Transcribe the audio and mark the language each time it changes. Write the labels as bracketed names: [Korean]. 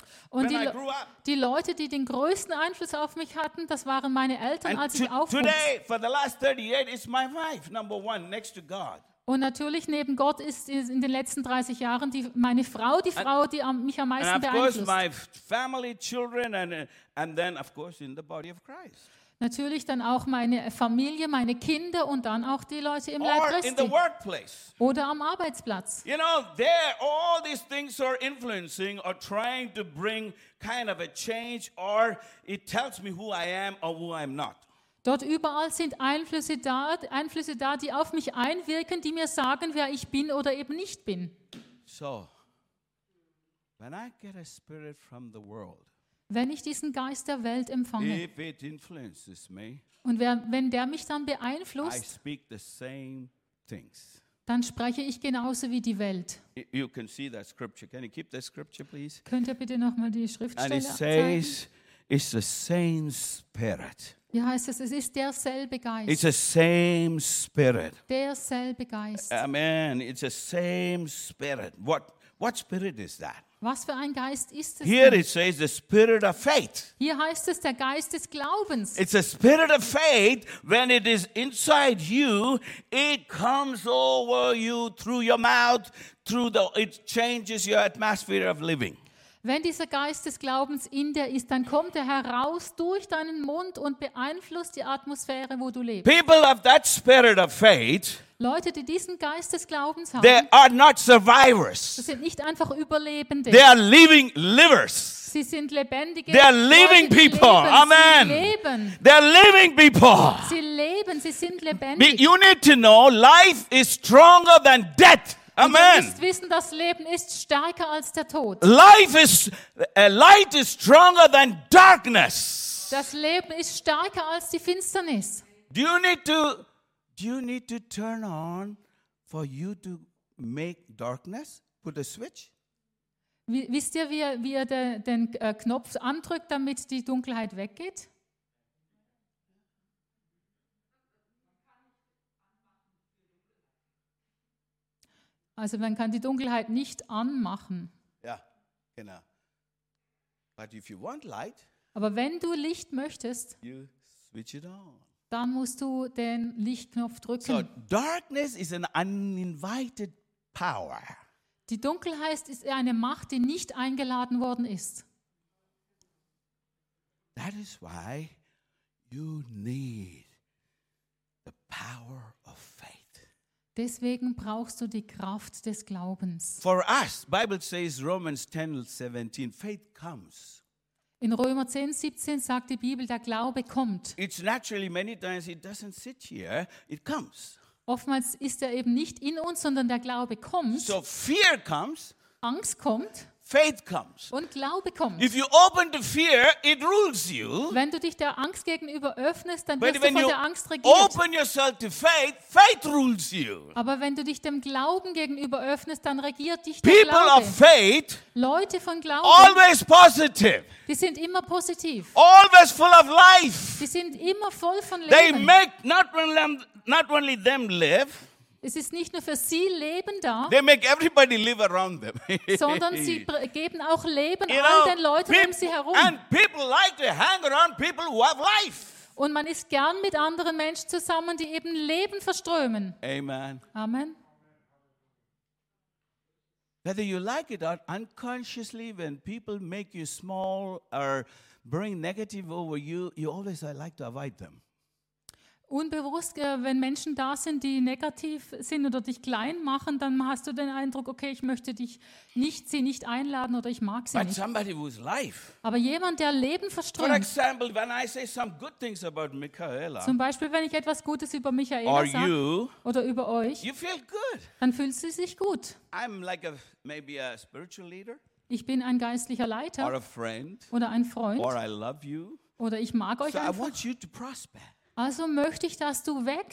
[German] Und die Leute, die den größten Einfluss auf mich hatten, das waren meine Eltern, [English] and [German] als ich aufwuchs. [English] Today, for the last 38, it's my wife, number one, next to God. [German] Und natürlich neben Gott ist in den letzten 30 Jahren meine Frau die mich am meisten beeinflusst. [English] My family, children and then of course in the body of Christ. [German] Natürlich dann auch meine Familie, meine Kinder und dann auch die Leute im Leib Christi. [English] In the workplace. [German] Oder am Arbeitsplatz. [English] You know, there all these things are influencing or trying to bring kind of a change or it tells me who I am or who I'm not. [German] Dort überall sind Einflüsse da, die auf mich einwirken, die mir sagen, wer ich bin oder eben nicht bin. [English] So, when I get a spirit from the world, [German] wenn ich diesen Geist der Welt empfange, [English] if it influences me, [German] und wenn der mich dann beeinflusst, [English] I speak the same things. [German] Dann spreche ich genauso wie die Welt. [English] You can see that scripture. Can you keep that scripture, please? [German] Könnt ihr bitte nochmal die Schriftstelle zeigen? [English] And it says, it's the same spirit. [German] Wie heißt es? Es ist derselbe Geist. [English] It's the same spirit. [German] Derselbe Geist. [English] Amen. It's the same spirit. What spirit is that? [German] Was für ein Geist ist es? [English] Here it says the spirit of faith. Hier heißt es der Geist des Glaubens. It's a spirit of faith. When it is inside you, it comes over you through your mouth, it changes your atmosphere of living. [German] Wenn dieser Geist des Glaubens in dir ist, dann kommt er heraus durch deinen Mund und beeinflusst die Atmosphäre, wo du lebst. [English] People of that spirit of faith, [German] Leute, die diesen Geist des Glaubens haben, [English] they are not survivors. [German] Das sind nicht einfach Überlebende. [English] They are living livers. [German] Sie sind lebendige. [English] They are living [German] Leute, [English] people. [German] Leben. Amen. Sie leben. [English] They are living people. [German] Sie leben. Sie sind lebendig. [English] You need to know, life is stronger than death. Amen. [German] Du musst wissen, das Leben ist stärker als der Tod. [English] Light is stronger than darkness. [German] Das Leben ist stärker als die Finsternis. [English] Do you need to turn on for you to make darkness? Put a switch. [German] Wisst ihr, wie ihr den Knopf andrückt, damit die Dunkelheit weggeht? Also man kann die Dunkelheit nicht anmachen. Ja, genau. [English] But if you want light, [German] aber wenn du Licht möchtest, [English] you switch it on. [German] Dann musst du den Lichtknopf drücken. [English] So, darkness is an uninvited power. [German] Die Dunkelheit ist eine Macht, die nicht eingeladen worden ist. [English] That is why you need the power. [German] Deswegen brauchst du die Kraft des Glaubens. [English] For us, Bible says Romans 10:17, faith comes. [German] In Römer 10:17 sagt die Bibel, der Glaube kommt. [English] It's naturally many times it doesn't sit here, it comes. [German] Oftmals ist er eben nicht in uns, sondern der Glaube kommt. [English] So fear comes. [German] Angst kommt. [English] Faith comes. [German] Und Glaube kommt. [English] If you open to fear, it rules you. [German] Wenn du dich der Angst gegenüber öffnest, dann wirst du von der Angst regiert. [English] Open yourself to faith, faith rules you. [German] Aber wenn du dich dem Glauben gegenüber öffnest, dann regiert dich der [English] People [German] Glaube. [English] Of faith, [German] Leute von Glauben, [English] always positive. [German] Die sind immer positiv. [English] Always full of life. [German] Die sind immer voll von Leben. [English] They make not only them live. [German] Es ist nicht nur für sie Leben da, [English] they make everybody live around them. [German] Sondern sie geben auch Leben [English] you all know, [German] den Leuten um sie herum. [English] And people like to hang around people who have life. [German] Und man ist gern mit anderen Menschen zusammen, die eben Leben verströmen. Amen. Amen. [English] Whether you like it or unconsciously, when people make you small or bring negative over you, you always like to avoid them. [German] unbewusst, wenn Menschen da sind, die negativ sind oder dich klein machen, dann hast du den Eindruck, okay, ich möchte dich nicht, sie nicht einladen oder ich mag sie [English] But [German] nicht. [English] Somebody who's life. [German] Aber jemand, der Leben verströmt. [English] For example, when I say some good things about Michaela, [German] zum Beispiel, wenn ich etwas Gutes über Michaela [English] or [German] sage [English] you, [German] oder über euch, [English] you feel good. [German] Dann fühlst du dich gut. [English] I'm like maybe a spiritual leader. [German] Ich bin ein geistlicher Leiter [English] or a friend, [German] oder ein Freund [English] or I love you. [German] Oder ich mag euch so einfach. [English] I want you to prosper. [German] Also möchte ich, dass du wächst